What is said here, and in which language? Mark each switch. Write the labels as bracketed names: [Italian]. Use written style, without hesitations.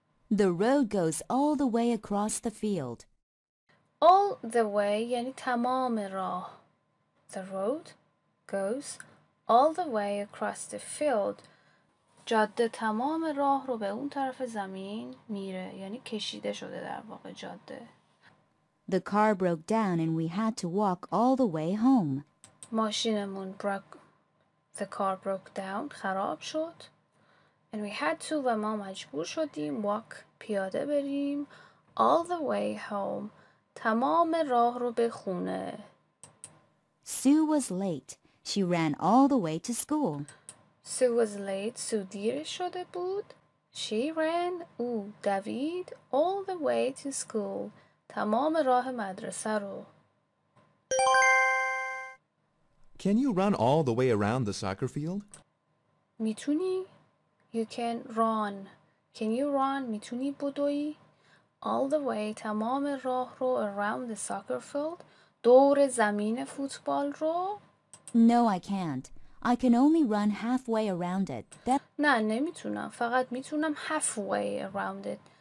[English] The road goes all the way across the field. [Persian] All the way یعنی تمام راه. [English] The road goes all the way across the field. [Persian] جاده تمام راه رو به اون طرف زمین میره. یعنی کشیده شده در واقع جاده. [English] The car broke down and we had to walk all the way home. [Persian] ماشینمون [English] broke. The car broke down. [Persian] خراب شد. [English] And we had to, [Persian] و ما مجبور شدیم, [English] walk, [Persian] پیاده بریم, [English] all the way home, [Persian] تمام راه رو به خونه. [English] Sue was late. She ran all the way to school. Sue was late. Sue [Persian] دیر شده بود. [English] She ran, [Persian] او دوید, [English] all the way to school, [Persian] تمام راه مدرسه رو. [English] Can you run all the way around the soccer field? [Persian] میتونی؟ [English] You can run. Can you run? [Persian] میتونی بدوی؟ All the way, تمام راه رو, [English] around the soccer field, [Persian] دور زمین فوتبال رو. [English] No, I can't. I can only run halfway around it. That... [Persian] نه, نمیتونم. فقط میتونم [English] halfway around it.